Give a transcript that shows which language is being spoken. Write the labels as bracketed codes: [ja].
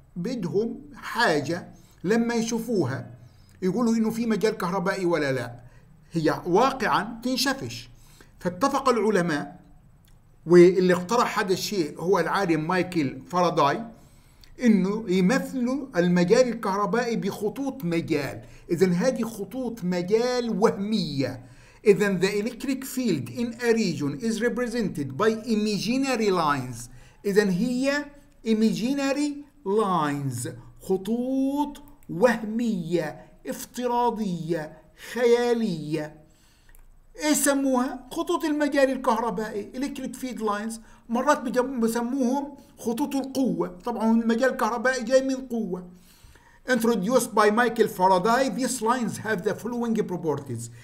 [ar] بدهم حاجة لما يشوفوها يقولوا انه في مجال كهربائي ولا لا، هي واقعا تنشفش. فاتفق العلماء، واللي اقترح هذا الشيء هو العالم مايكل فاراداي، انه يمثل المجال الكهربائي بخطوط مجال. اذا هذه خطوط مجال وهمية. اذا [en] the electric field in a region is represented by imaginary lines. [ar] اذا هي imaginary lines، خطوط وهمية افتراضية خيالية. ايه سموها؟ خطوط المجال الكهربائي، electric field lines. مرات بسموهم خطوط القوة، طبعا المجال الكهربائي جاي من قوة. [en] introduced by Michael Faraday, these lines have the following properties.